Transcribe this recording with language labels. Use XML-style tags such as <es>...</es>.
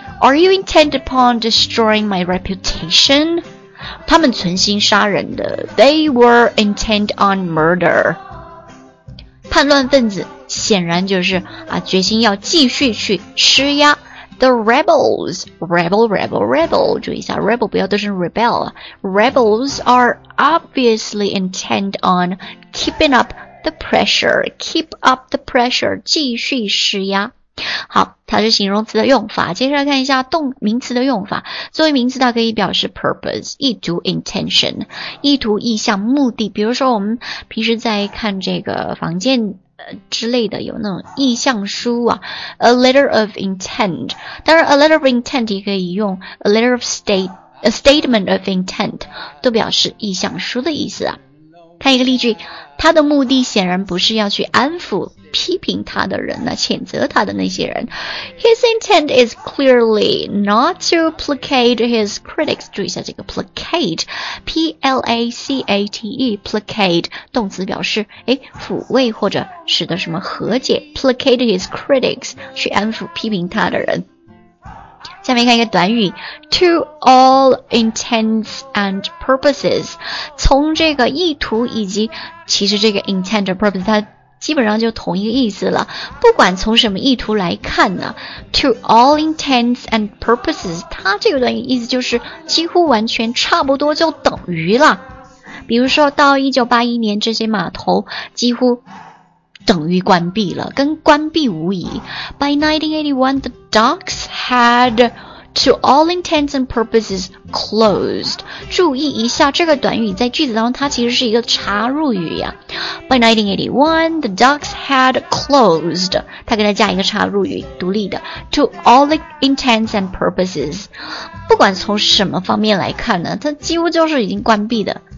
<en>Are you intent upon destroying my reputation？</en> <zh>他们存心杀人的</zh> <en>They were intent on murder。</en> <zh>叛乱分子显然就是啊，决心要继续去施压。</zh> <en>The rebels, rebel, rebel, rebel.</en> <zh>注意一下</zh> <en>，rebel</en> <zh>不要读成</zh> <en>rebel. Rebels are obviously intent on keeping up the pressure. Keep up the pressure.</en> <zh>继续施压。好，它是形容词的用法。接下来看一下动名词的用法。作为名词，它可以表示 purpose, 意图 intention, 意图意向目的。比如说我们平时在看这个房间之类的，有那种意向书啊，</zh> <en>a letter of intent.</en> <zh>当然</zh> <en>a letter of intent</en> <zh>也可以用</zh> <en>a letter of state, a statement of intent,</en> <zh>都表示意向书的意思啊。看一个例句，他的目的显然不是要去安抚批评他的人呢，谴责他的那些人。</zh> <en>His intent is clearly not to placate his critics.</en> <zh>注意一下这个 placate, P-L-A-C-A-T-E, placate, 动词表示抚慰或者使得什么和解。</zh> <en>Placate his critics,</en> <zh>去安抚批评他的人。下面看一个短语 ,</zh> <en>to all intents and purposes,</en> <zh>从这个意图以及其实这个</zh> <en>intent and purpose,</en> <zh>它基本上就同一个意思了。不管从什么意图来看呢 ,</zh> <en>to all intents and purposes,</en> <zh>它这个短语意思就是几乎完全差不多就等于了。比如说到1981年这些码头几乎等于关闭了，跟关闭无疑。</zh> <en>By 1981, the docks had, to all intents and purposes, closed.</en> <zh>注意一下，这个短语在句子当中，它其实是一个插入语呀。</zh> <en>By 1981, the docks had closed.</en> <zh>它给它加一个插入语，独立的。</zh> <en>To all intents and purposes.</en> <zh>不管从什么方面来看呢，它几乎就是已经关闭的。</zh>